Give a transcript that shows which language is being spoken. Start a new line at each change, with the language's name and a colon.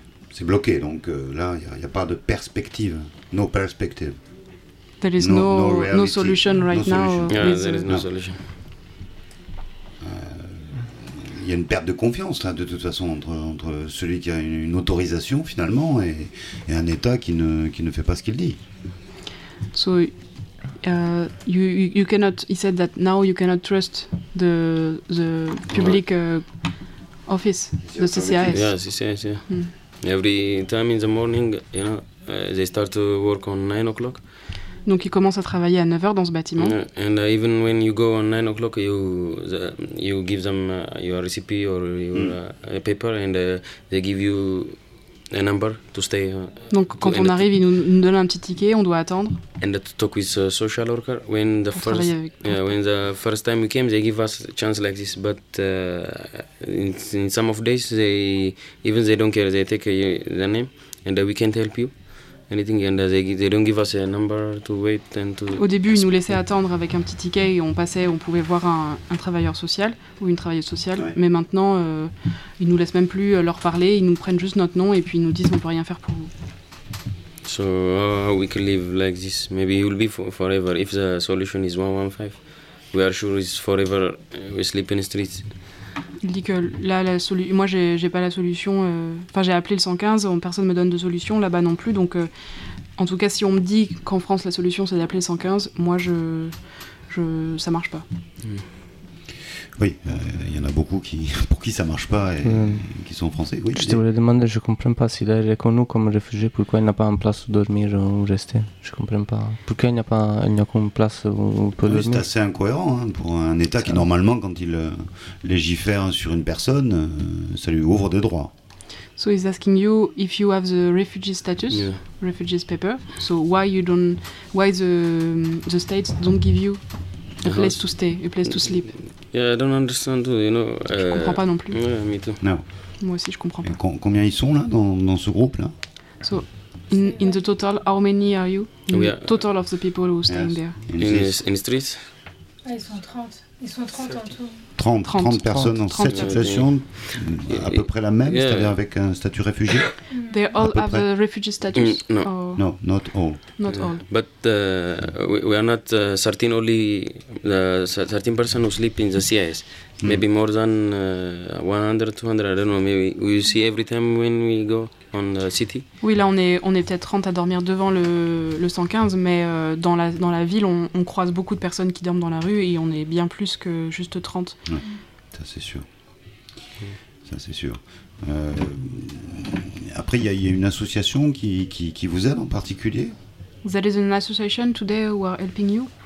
French: C'est bloqué, donc là, il n'y a pas de perspective,
English: no perspective. There is no solution right now. There is no solution.
French: Il y a une perte de confiance, là, de toute façon, entre celui qui a une autorisation, finalement, et un État qui ne fait pas ce qu'il dit.
English: So, you cannot, he said that now you cannot trust the public office, the CCIS. Yeah, CCIS, yeah. Mm. Every time in the morning, you know, they start to work on 9 o'clock.
French: Donc, ils commencent à travailler à 9 h dans ce bâtiment.
English: And even when you go on 9 o'clock, you give them your recipe or your paper, and they give you a number to stay.
French: Donc, quand on arrive, ils nous donnent un petit ticket, on doit attendre.
English: And to talk with social worker when the on first
French: avec...
English: yeah, when the first time we came, they give us a chance like this, but in some of days they even they don't care, they take the name, and we can't help you.
French: Au début, ils nous laissaient attendre avec un petit ticket et on passait, on pouvait voir un travailleur social ou une travailleuse sociale. Ouais. Mais maintenant, ils nous laissent même plus leur parler. Ils nous prennent juste notre nom et puis ils nous disent on peut rien faire pour vous.
English: So we can live like this. Maybe it will be forever if the solution is 115. We are sure it's forever. We sleep in the streets.
French: Il dit que là, moi, j'ai pas la solution. Enfin, j'ai appelé le 115, personne me donne de solution là-bas non plus. Donc, en tout cas, si on me dit qu'en France la solution c'est d'appeler le 115, moi, ça marche pas. Oui, il y en a beaucoup pour qui ça marche pas et qui sont français. Oui, je te voulais demander, je comprends pas s'il est reconnu comme réfugié, pourquoi il n'a pas une place où dormir ou rester. Je comprends pas. Pourquoi il n'y a pas une place où il peut dormir. C'est assez incohérent hein, pour un État c'est qui, normalement, quand il légifère sur une personne, ça lui ouvre des droits.
English: So he's asking you if you have the refugee status, yeah. Refugee's paper. So why the states don't give you a place to stay, a place to sleep. Yeah, I don't understand too, you know.
French: Je comprends pas non plus.
English: Yeah, me too. No.
French: Moi aussi, je comprends pas. Combien ils sont là dans ce groupe là?
English: So, in the total, how many are you? We are total of the people who are staying there. In the streets?
French: Ah, ils sont 30. Ils sont 30 en tout. 30 personnes dans cette situation, à peu près la même, c'est-à-dire avec un statut réfugié.
English: They all have a refugee status. No, not all. Not all. But we are not 13 only. 13 persons who sleep in the CIS. Maybe more than 100, 200. I don't know. Maybe we see every time when we go on the city.
French: Oui, là on est peut-être 30 à dormir devant le 115, mais dans la ville on croise beaucoup de personnes qui dorment dans la rue et on est bien plus que juste 30. Ouais, ça c'est sûr. Ça c'est sûr. Après il y a une association qui vous aide en particulier.
English: There is an association today who are helping you?